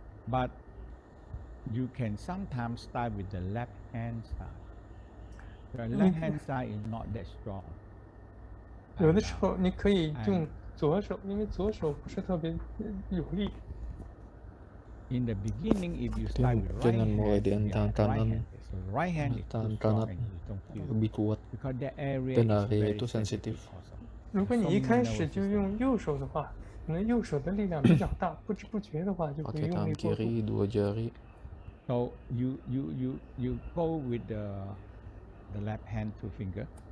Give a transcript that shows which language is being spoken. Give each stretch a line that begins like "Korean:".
English: But you can sometimes start with the left hand side. The left hand side is not that strong.
Chinese: 有的时候你可以用左手，因为左手不是特别有力。
English: In the beginning, if you start with right hand,
Indonesian: mulai dengan tangan kanan,
English: right hand,
Indonesian: tangan kanan lebih kuat, dan area itu sensitif.
Chinese: 如果你一开始就用右手的话, 可能右手的力量比较大, 不知不觉的话就会用力过度。
Indonesian: Pakai tangan kiri, dua jari.
English: So you go with the left hand two finger.